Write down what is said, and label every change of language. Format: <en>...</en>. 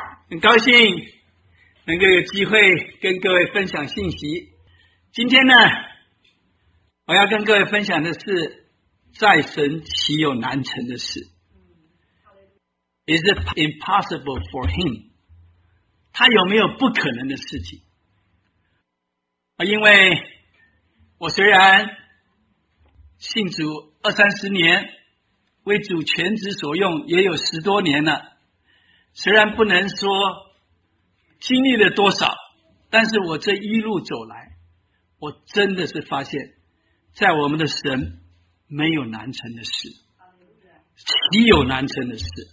<zh>很高兴能够有机会跟各位分享信息。今天呢我要跟各位分享的是在神岂有难成的事。</zh> <en>Is it impossible for him?</en> <zh>他有没有不可能的事情？因为我虽然信主二三十年，为主全职所用也有十多年了，虽然不能说经历了多少，但是我这一路走来，我真的是发现在我们的神没有难成的事，岂有难成的事。</zh>